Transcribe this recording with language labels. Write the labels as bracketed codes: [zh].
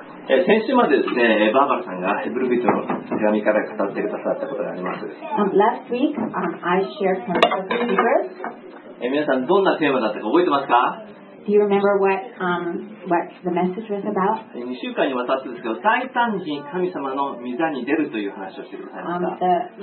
[ja] 先週までですね、バーバラさんがヘブル人の手紙から語ってくださったことがあります。 [en] Last week, I shared from Hebrew verse. [ja] 皆さん、どんなテーマだったか覚えてますか？ [en] Do you remember what the message was about? [ja] 2週間にわたってですけど、祭壇に神様の御座に出るという話をしてくださいました。